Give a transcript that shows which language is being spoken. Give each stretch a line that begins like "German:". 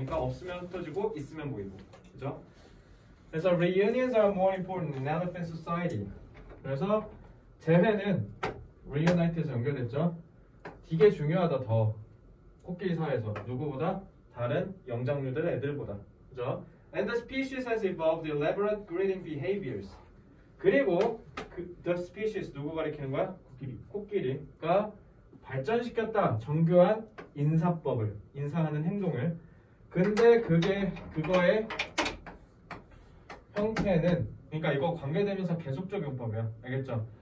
Korean: 그러니까 없으면 흩어지고 있으면 모이고, 그죠? 그래서
English: reunions are more important in elephant society.
Korean: 그래서 재회는 reunite에서 연결됐죠. 이게 중요하다, 더 코끼리 사회에서 누구보다 다른 영장류들 애들보다, 그죠?
English: And the species has evolved elaborate greeting behaviors.
Korean: 그리고 그, the species 누구 가리키는 거야? 코끼리. 코끼리가 발전시켰다, 정교한 인사법을, 인사하는 행동을. 근데 그게 그거의 형태는, 그러니까 이거 관계되면서 계속적 용법이야, 알겠죠?